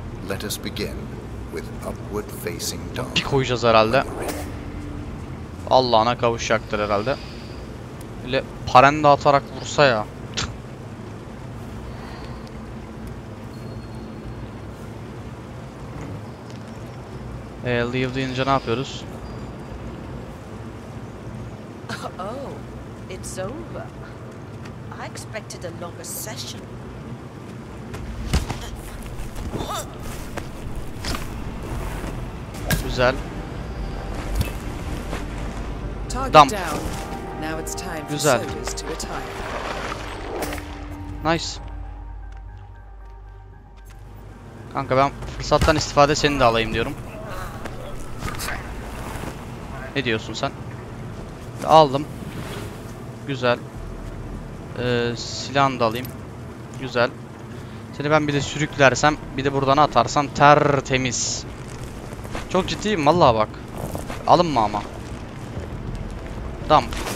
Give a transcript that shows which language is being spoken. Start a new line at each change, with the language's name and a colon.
English: Let us begin with upward facing dog.
Turkish: Pik koyacağız herhalde. Allah'ına kavuşacaktır herhalde. Öyle paren dağıtarak vursa ya. Leave deyince ne yapıyoruz?
English: Oh, it's over. I expected a longer session.
Turkish: Güzel.
English: Target dump. Down. Now it's time for soldiers to retire. Nice.
Turkish: Kanka ben fırsattan istifade seni de alayım diyorum. Ne diyorsun sen? Aldım. Güzel. Silahını da alayım. Güzel. Seni ben bir de sürüklersem, bir de buradan atarsam tertemiz. Çok ciddiyim vallahi bak. Alınma ama. Tamam.